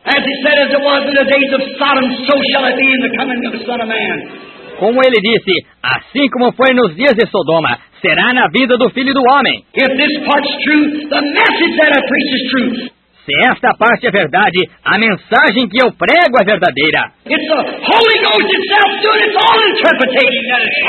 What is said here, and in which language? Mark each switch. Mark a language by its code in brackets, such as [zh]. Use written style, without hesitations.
[en] As he said, as it was in the days of Sodom, so shall it be in the coming of the Son of Man. [pt] Como ele disse, assim como foi nos dias de Sodoma, será na vida do Filho do Homem. [en] If this part's true, the message that I preach is true. [pt] Se esta parte é verdade, a mensagem que eu prego é verdadeira. [en] It's the Holy Ghost itself doing its own interpretation.